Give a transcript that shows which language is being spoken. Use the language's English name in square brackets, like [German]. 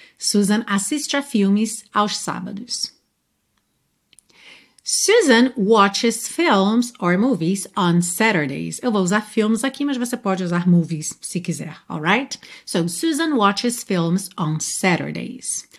[Portuguese] Susan assiste a filmes aos sábados. [English] Susan watches films or movies on Saturdays. [Portuguese] Eu vou usar filmes aqui, mas você pode usar movies se quiser, [English] alright? So, Susan watches films on Saturdays.